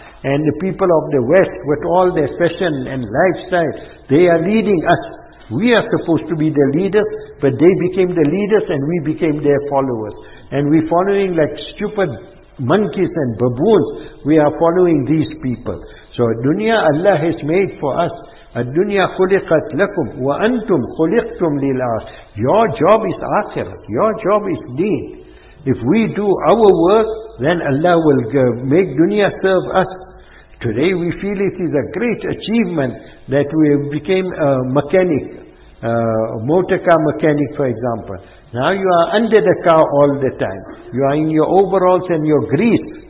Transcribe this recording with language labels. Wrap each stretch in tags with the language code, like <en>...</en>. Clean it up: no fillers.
<en>And the people of the West, with all their fashion and lifestyle, they are leading us. We are supposed to be the leaders, but they became the leaders and we became their followers. And we're following like stupid monkeys and baboons, we are following these people. So dunya Allah has made for us.</en> <ar>الدنيا خلقت لكم وأنتم خلقتم للآخرة.</ar> <en>Your job is akhirah. Your job is deen. If we do our work, then Allah will make dunya serve us. Today we feel it is a great achievement that we became a mechanic, a motor car mechanic, for example. Now you are under the car all the time. You are in your overalls and your grease.</en>